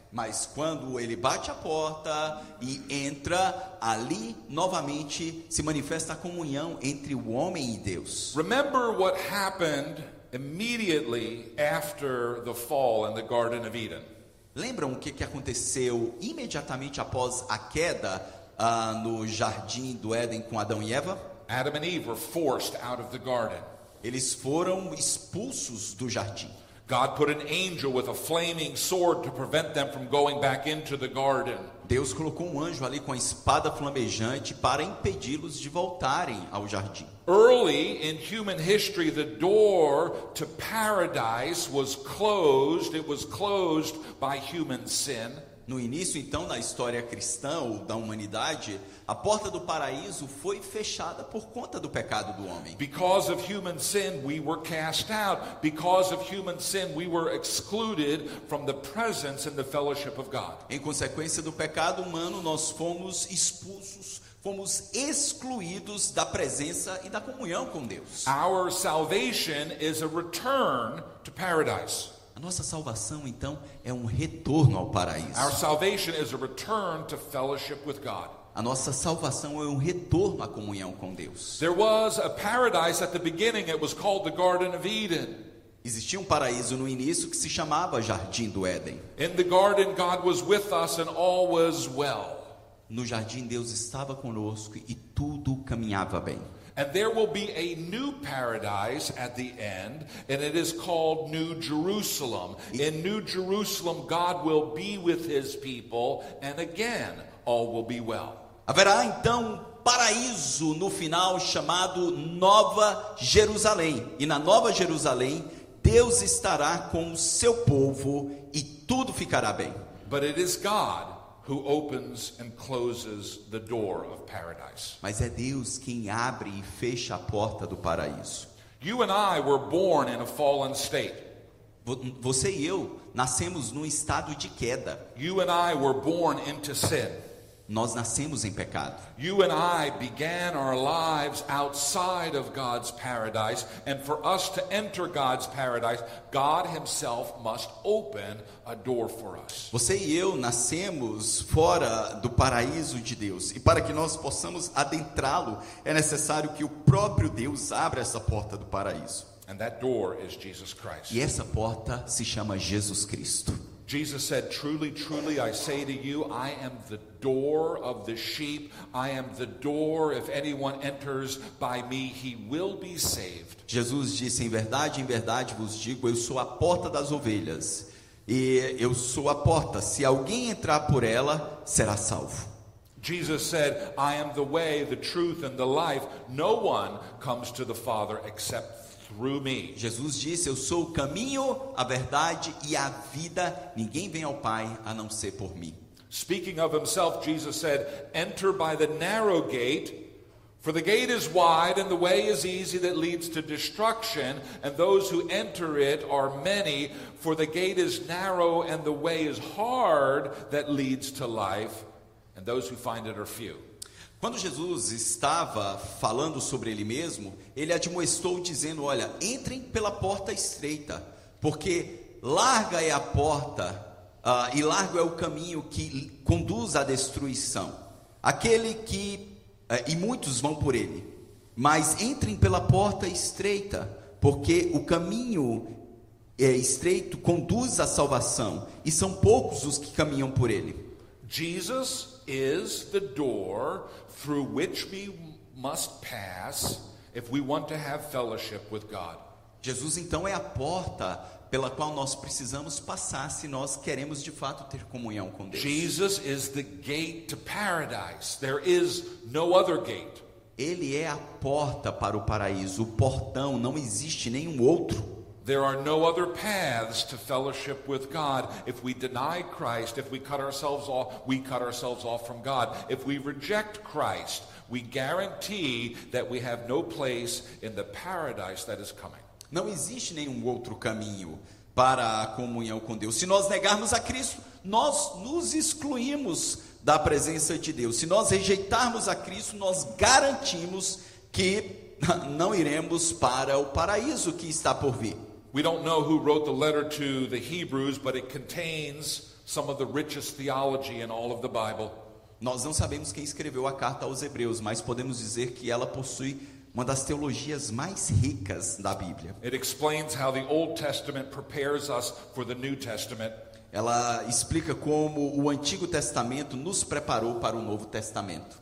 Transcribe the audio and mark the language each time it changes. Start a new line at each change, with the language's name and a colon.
Portuguese: Mas quando ele bate a porta e entra, ali novamente se manifesta a comunhão entre o homem e Deus.
English: Remember what happened immediately after the fall in the Garden of Eden.
Portuguese: Lembram o que aconteceu imediatamente após a queda no jardim do Éden com Adão e Eva?
English: Adam and Eve were forced out of the garden.
Portuguese: Eles foram expulsos do jardim.
English: God put an angel with a flaming sword to prevent them from going back into the garden.
Portuguese: Deus colocou um anjo ali com a espada flamejante para impedi-los de voltarem ao jardim.
English: Early in human history, the door to paradise was closed. It was closed by human sin.
Portuguese: No início, então, na história cristã ou da humanidade, a porta do paraíso foi fechada por conta do pecado do homem.
English: Because of human sin, we were cast out. Because of human sin, we were excluded from the presence and the fellowship of God.
Portuguese: Em consequência do pecado humano, nós fomos expulsos. Fomos excluídos da presença e da comunhão com Deus.
English: Our salvation is a return to paradise.
Portuguese: A nossa salvação, então, é um retorno ao paraíso.
English: Our salvation is a return to fellowship with God.
Portuguese: A nossa salvação é um retorno à comunhão com Deus.
English: There was a paradise at the beginning. It was called the Garden of Eden.
Portuguese: Existia um paraíso no início que se chamava Jardim do Éden.
English: In the garden, God was with us and all was well.
Portuguese: No jardim, Deus estava conosco e tudo caminhava bem.
English: And there will be a new paradise at the end, and it is called New Jerusalem. In New Jerusalem, God will be with his people, and again, all will be well.
Portuguese: Haverá então um paraíso no final chamado Nova Jerusalém. E na Nova Jerusalém, Deus estará com o seu povo e tudo ficará bem.
English: But it is God who opens and closes the door of paradise.
Portuguese: Mas é Deus quem abre e fecha a porta do paraíso.
English: You and I were born in a fallen state.
Portuguese: Você e eu nascemos num estado de queda.
English: You and I were born into sin.
Portuguese: Nós nascemos em pecado.
English: You and I began our lives outside of God's paradise, and for us to enter God's paradise, God himself must open a door for us.
Portuguese: Você e eu nascemos fora do paraíso de Deus, e para que nós possamos adentrá-lo, é necessário que o próprio Deus abra essa porta do paraíso.
English: And that door is Jesus Christ.
Portuguese: E essa porta se chama Jesus Cristo.
English: Jesus said, truly, truly, I say to you, I am the door of the sheep. I am the door. If anyone enters by me, he will be saved.
Portuguese: Jesus disse, em verdade vos digo, eu sou a porta das ovelhas. E eu sou a porta. Se alguém entrar por ela, será salvo.
English: Jesus said, I am the way, the truth, and the life. No one comes to the Father except
Portuguese: Jesus disse, eu sou o caminho, a verdade e a vida. Ninguém vem ao Pai a não ser por mim.
English: Speaking of himself, Jesus said, enter by the narrow gate, for the gate is wide and the way is easy that leads to destruction, and those who enter it are many, for the gate is narrow and the way is hard that leads to life, and those who find it are few.
Portuguese: Quando Jesus estava falando sobre ele mesmo, ele admoestou dizendo, olha, entrem pela porta estreita, porque larga é a porta e largo é o caminho que conduz à destruição. Aquele que, e muitos vão por ele, mas entrem pela porta estreita, porque o caminho é estreito, conduz à salvação, e são poucos os que caminham por ele.
English: Jesus is the door through which we must pass if we want to have fellowship with God.
Portuguese: Jesus então é a porta pela qual nós precisamos passar se nós queremos de fato ter comunhão com Deus.
English: Jesus is the gate to paradise. There is no other gate.
Portuguese: Ele é a porta para o paraíso, o portão, não existe nenhum outro.
English: There are no other paths to fellowship with God. If we deny Christ, if we cut ourselves off, we cut ourselves off from God. If we reject Christ, we guarantee that we have no place in the paradise that is coming.
Portuguese: Não existe nenhum outro caminho para a comunhão com Deus. Se nós negarmos a Cristo, nós nos excluímos da presença de Deus. Se nós rejeitarmos a Cristo, nós garantimos que não iremos para o paraíso que está por vir.
English: We don't know who wrote the letter to the Hebrews, but it contains some of the richest theology in all of the Bible.
Portuguese: Nós não sabemos quem escreveu a carta aos Hebreus, mas podemos dizer que ela possui uma das teologias mais ricas da Bíblia.
English: It explains how the Old Testament prepares us for the New Testament.
Portuguese: Ela explica como o Antigo Testamento nos preparou para o Novo Testamento.